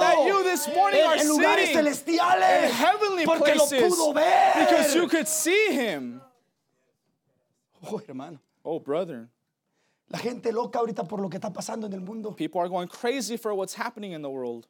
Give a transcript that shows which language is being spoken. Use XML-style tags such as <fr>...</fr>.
<en>That you this morning are</en> <es>en lugares celestiales.</es> <en>In heavenly</en> <es>porque</es> <en>places.</en> <es>Lo pudo ver.</es> <en>Because you could see him.</en> <es>Oh, hermano.</es> <en>Oh, brother.</en> <es>La gente loca ahorita por lo que está pasando en el mundo.</es> <en>People are going crazy for what's happening in the world.</en>